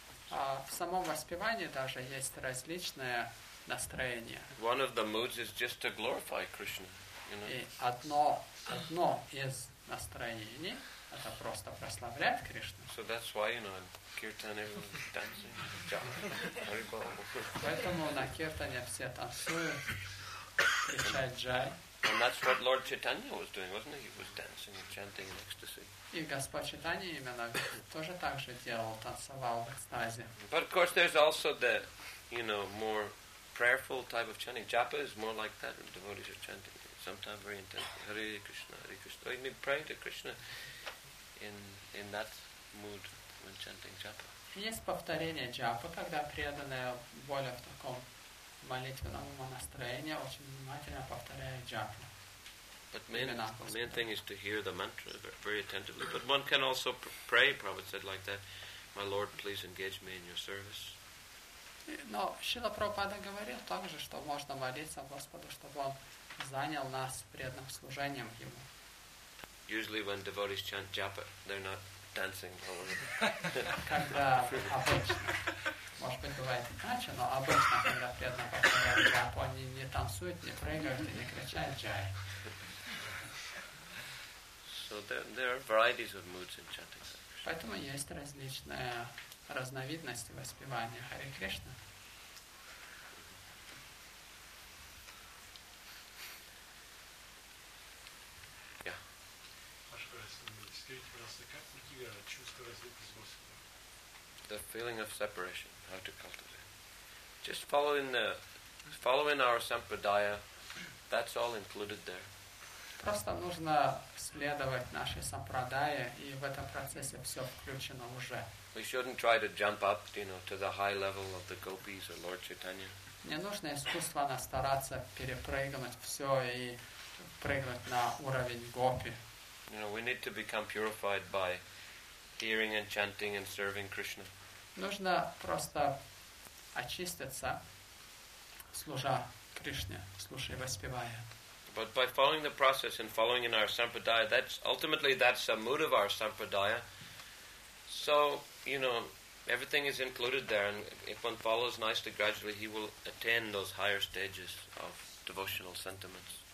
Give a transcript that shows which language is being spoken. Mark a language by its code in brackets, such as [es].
[ru] В самом воспевании даже есть различные настроения. [en] One of the moods is just to glorify Krishna, you know. [ru] И одно из настроений – это просто прославлять Кришну. [en] So that's why, you know, in Kirtan everyone's dancing, jumping. [ru] Поэтому на Киртане все танцуют, кричат джай. [en] And that's what Lord Chaitanya was doing, wasn't he? He was dancing and chanting in ecstasy. [ru] И Господь Чайтанья именно тоже так же делал, танцевал в экстазе. [en] But of course there's also the, you know, more prayerful type of chanting. Japa is more like that, when devotees are chanting. Sometimes very intense. Hare Krishna, Hare Krishna. I mean, praying to Krishna in that mood when chanting Japa. [ru] Есть повторение Джапы, когда преданная воля в таком молитвенном настроении очень внимательно повторяет Джапу. [en] But the main thing is to hear the mantra very attentively. But one can also pray, Prabhupada said like that, My Lord, please engage me in your service. [ru] Но Шрила Прабхупада говорил также, что можно молиться Господу, чтобы Он занял нас преданным служением Ему. [en] Usually when devotees chant japa, they're not dancing all over. [ru] Когда обычно, может быть, бывает иначе, но обычно, когда преданно повторяют джапу, они не танцуют, не прыгают и не кричат джай. [en] So there are varieties of moods in chanting. [ru] Поэтому есть различные разновидности воспевания Харе Кришна. [en] The feeling of separation, how to cultivate. Just following our sampradaya, that's all included there. [ru] Просто нужно следовать нашей сампрадае, и в этом процессе все включено уже. [en] We shouldn't try to jump up, you know, to the high level of the gopis or Lord Chaitanya. [ru] Не нужно искусственно стараться перепрыгнуть все и прыгнуть на уровень гопи. [en] You know, we need to become purified by hearing and chanting and serving Krishna. [ru] Нужно просто очиститься, служа Кришне, слушая и воспевая. [en] But by following the process and following in our sampradaya, that's ultimately that's a mood of our sampradaya. So, you know, everything is included there, and if one follows nicely, gradually, he will attain those higher stages of devotional sentiments.